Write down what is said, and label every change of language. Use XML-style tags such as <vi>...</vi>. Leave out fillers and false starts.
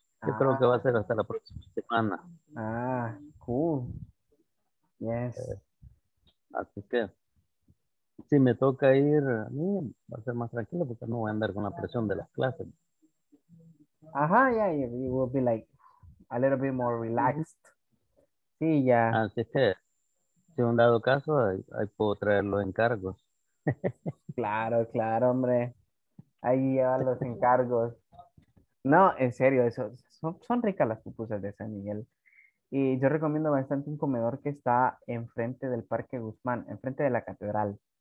<es>Yo creo que va a ser hasta la próxima semana.</es> <en>Ah, cool. Yes.</en> <es>Así que si me toca ir a mí, va a ser más tranquilo porque no voy a andar con la presión de las clases.</es> <en>Yeah, you will be like a little bit more relaxed.</en> <es>Sí, ya. Así que si un dado caso, ahí puedo traer los encargos. Claro, hombre. Ahí llevan los encargos. No, en serio, eso son ricas las pupusas de San Miguel. Y yo recomiendo bastante un comedor que está enfrente del Parque Guzmán, enfrente de la catedral.</es>